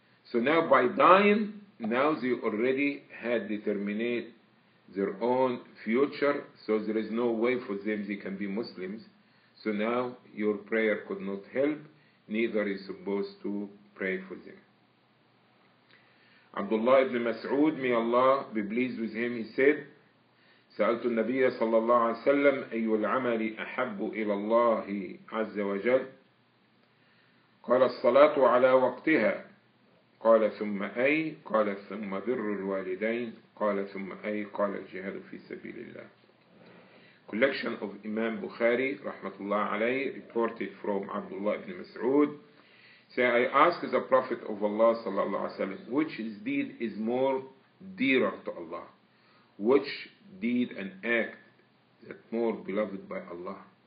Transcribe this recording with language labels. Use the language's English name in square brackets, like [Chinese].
[English] So now by dying, now they already had determined their own future, so there is no way for them they can be Muslims. So now your prayer could not help, neither is supposed to pray for them. Abdullah ibn Mas'ud, may Allah be pleased with him, he said, [Arabic] سألت النبي صلى الله عليه وسلم أي العمل أحب إلى الله عز وجل قال الصلاة على وقتها قال ثم أي قال ثم بر الوالدين قال ثم أي قال الجهاد في سبيل الله. [English] Collection of Imam Bukhari [Arabic] رحمة الله عليه, [English] reported from Abdullah ibn Mas'ud. Say, I asked the Prophet of Allah [Arabic] صلى الله عليه وسلم, [English] which deed is more dearer to Allah, which deed and act that more beloved by Allah?